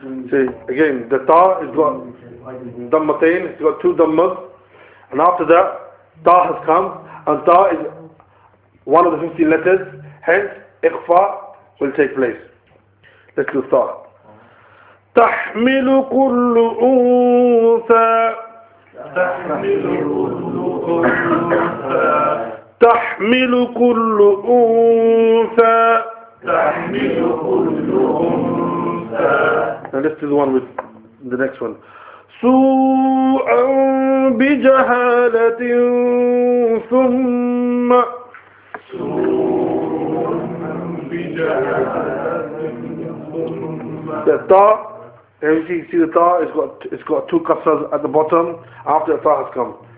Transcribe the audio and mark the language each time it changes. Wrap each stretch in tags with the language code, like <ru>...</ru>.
<en>See, again, the Ta has got Dhammatayn, it's got two Dhammas, and after that, Ta has come, and Ta is one of the 15 letters, hence, Ikhfa will take place. Let's do Ta.</en> <ar>تحمل كل أنثى تحمل كل أنثى تحمل كل أنثى.</ar> <en>Now let's do the one with the next one.</en> <ar>سوءا بجهالة ثم</ar> <en>the Ta, you see the Ta, it's got two kasras at the bottom after the Ta has come.</en>